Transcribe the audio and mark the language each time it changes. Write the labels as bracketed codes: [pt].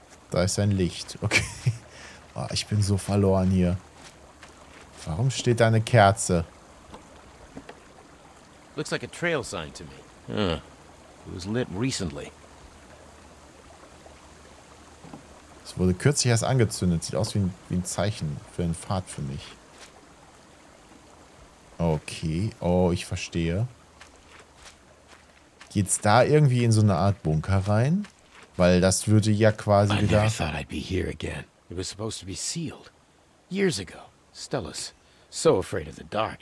[de] Da ist ein Licht. Okay. Oh, ich bin so verloren hier. Warum steht da eine Kerze? [en] Looks like a trail sign to me. It was lit recently. [de] Es wurde kürzlich erst angezündet. Sieht aus wie ein Zeichen für einen Pfad für mich. Okay. Oh, ich verstehe. Geht's da irgendwie in so eine Art Bunker rein? Weil das würde ja quasi wieder... [en] I never thought I'd be here again. It was supposed to be sealed. Years ago. Stella's so afraid of the dark.